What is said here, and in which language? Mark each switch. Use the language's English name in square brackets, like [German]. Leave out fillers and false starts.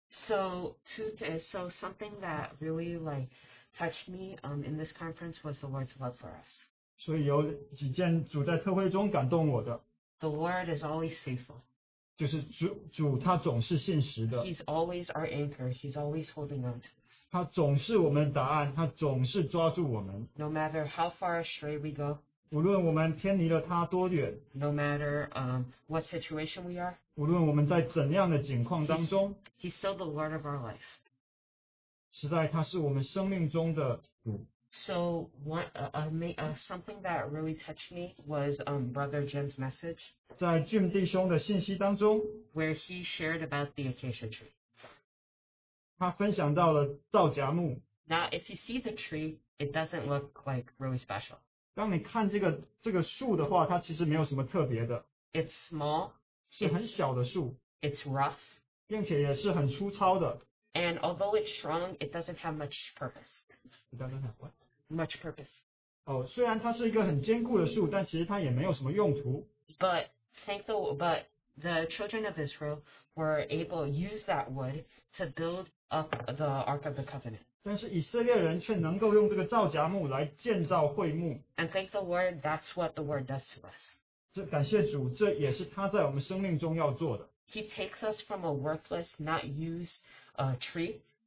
[English] So something that really like touched me in this conference was the Lord's love for us. [Chinese] 所以有几件主在特会中感动我的。 [English] The Lord is always faithful. [Chinese] 就是主他总是信实的. [English] He's always our anchor. He's always holding on. [Chinese] 他总是我们答案，他总是抓住我们. [English] No matter how far astray we go. [Chinese] 无论我们偏离了他多远. [English] No matter what situation we are. [Chinese] 无论我们在怎样的境况当中. [English] He's still the Lord of our life. [Chinese] 实在他是我们生命中的主. [English] So something that really touched me was Brother Jim's message. [Chinese] 在Jim弟兄的信息当中, [English] where he shared about the acacia tree. [Chinese] 他分享到了皂荚木. [English] Now, if you see the tree, it doesn't look like really special. [Chinese] 当你看这个树的话, 它其实没有什么特别的. [English] It's small. [Chinese] 是很小的树. [English] It's rough. [Chinese] 并且也是很粗糙的. [English] And although it's strong, it doesn't have much purpose. It doesn't have what? Much purpose. Oh, [Chinese] 虽然它是一个很坚固的树, 但其实它也没有什么用途. [English] But the children of Israel were able to use that wood to build up the Ark of the Covenant. [Chinese] 但是以色列人却能够用这个皂荚木来建造会幕. [English] And thank the Lord, that's what the word does to us. [Chinese] 这感谢主, 这也是他在我们生命中要做的. [English] He takes us from a worthless, not used tree.